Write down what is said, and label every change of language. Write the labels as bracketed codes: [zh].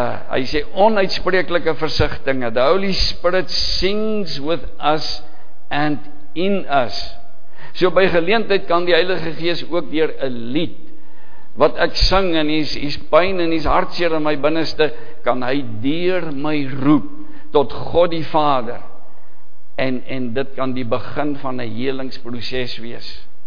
[af] Hy sê onuitspreeklike versigtinge. [en] The Holy Spirit sings with us and in us. [af] So by geleentheid kan die Heilige Gees ook deur 'n lied wat ek sing, en hy's pyn en hy's hartseer in my binneste, kan hy deur my roep tot God die Vader. En dit kan die begin van 'n helingsproses wees.